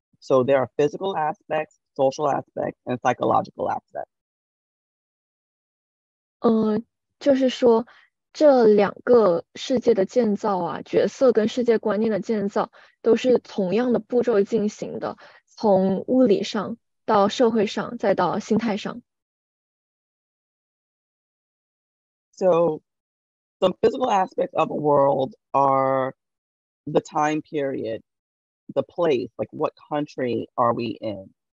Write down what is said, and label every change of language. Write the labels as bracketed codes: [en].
[en] So there are physical aspects, social aspects, and psychological aspects. [zh] 就是说，这两个世界的建造啊，角色跟世界观念的建造，都是同样的步骤进行的。 [en] So some physical aspects of a world are the time period, the place, like what country are we in?